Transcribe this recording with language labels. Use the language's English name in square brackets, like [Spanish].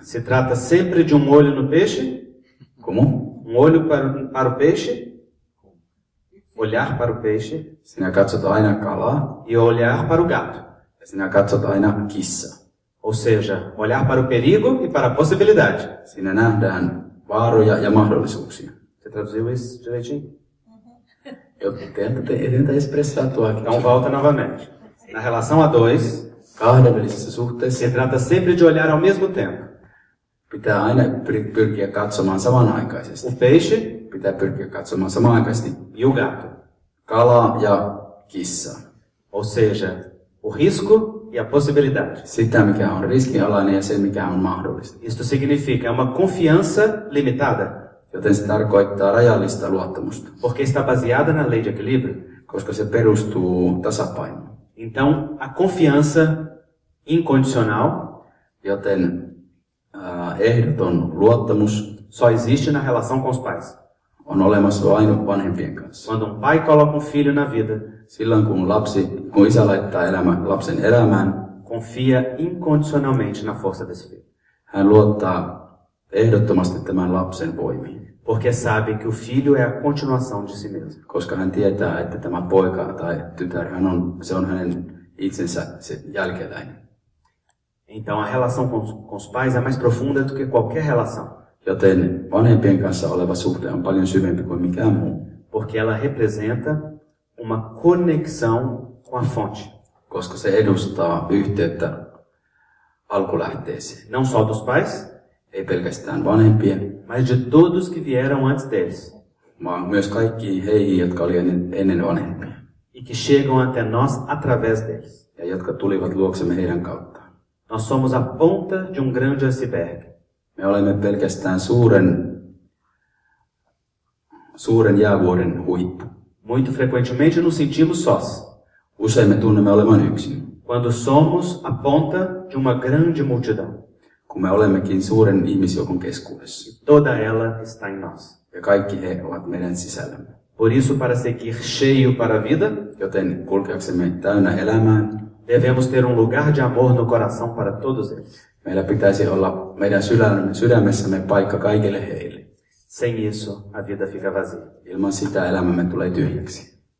[Portuguese] Se trata sempre de olho no peixe. Como? Olho para o peixe. Olhar para o peixe. [Finnish] Sinä katsot aina kalaa. [Portuguese] E olhar para o gato. [Finnish] Sinä katsot aina kissa. [Portuguese] Ou seja, olhar para o perigo e para a possibilidade. [Finnish] Sinä nähdään vaaroja ja mahdollisuuksia. [Portuguese] Você traduziu isso direitinho? Eu tento expressar a tua. Então volta novamente. Na relação a dois, [Finnish] kahden välisessä suhteessa, [Portuguese] se trata sempre de olhar ao mesmo tempo. [Finnish] Pitää aina pyrkiä katsomaan samanaikaisesti. [Portuguese] O peixe, [Finnish] pitää pyrkiä katsomaan samanaikaisesti. [Portuguese] E o gato. [Finnish] Kala ja kissa. [Portuguese] Ou seja, o risco e a possibilidade. [Finnish] Sitä, mikä on riskialainen ja se, mikä on mahdollista. [Portuguese] Isto significa uma confiança limitada. [Finnish] Joten se tarkoittaa rajallista luottamusta. [Portuguese] Porque está baseada na lei de equilíbrio. [Finnish] Koska se perustuu tasapainoon. [Portuguese] Então, a confiança incondicional. [Finnish] Joten ehdoton luottamus. [Portuguese] Só existe na relação com os pais. [Finnish] On olemassa vain vanhempien kanssa. [Portuguese] Quando pai coloca filho na vida. [Finnish] Silloin kun lapsi, kun isä laittaa lapsen elämään. [Portuguese] Confia incondicionalmente na força desse filho. [Finnish] Hän luottaa ehdottomasti tämän lapsen voimiin. [Portuguese] Porque sabe que o filho é a continuação de si mesmo. [Finnish] Koska hän tietää, että tämä poika tai tytär, hän on, se on hänen itsensä se jälkeläinen. [Portuguese] Então a relação com os pais é mais profunda do que qualquer relação. [Finnish] Joten vanhempien kanssa oleva suhde on paljon syvempi kuin mikään muu. [Portuguese] Porque ela representa uma conexão com a fonte. [Finnish] Koska se edustaa yhteyttä alkulähteeseen. [Portuguese] Não só dos pais. [Finnish] Ei pelkästään vanhempien. [Portuguese] Mas de todos que vieram antes deles. [Finnish] Vaan myös kaikki heihin, jotka olivat ennen vanhempia. [Portuguese] E que chegam até nós através deles. [Finnish] Ja jotka tulivat luoksemme heidän kauttaan. [Portuguese] Nós somos a ponta de grande iceberg. [Finnish] Me olemme pelkästään suuren jäävuoren huippu. [Portuguese] Muito frequentemente nos sentimos sós. [Finnish] Usein me tunnemme olevan yksin. [Portuguese] Quando somos a ponta de grande multidão. [Finnish] Kun me olemmekin suuren ihmisjoukon keskuudessa. [Portuguese] E toda ela está em nós. [Finnish] Ja kaikki he ovat meidän sisällämme. [Portuguese] Por isso, para seguir cheio para a vida, [Finnish] joten kulkeaksemme täynnä elämään, [Portuguese] devemos ter lugar de amor no coração para todos eles. [Finnish] Meillä pitäisi olla meidän sydämessämme paikka kaikille heille. [Portuguese] Sem isso, a vida fica vazia. [Finnish] Ilman sitä elämämme tulee tyhjäksi.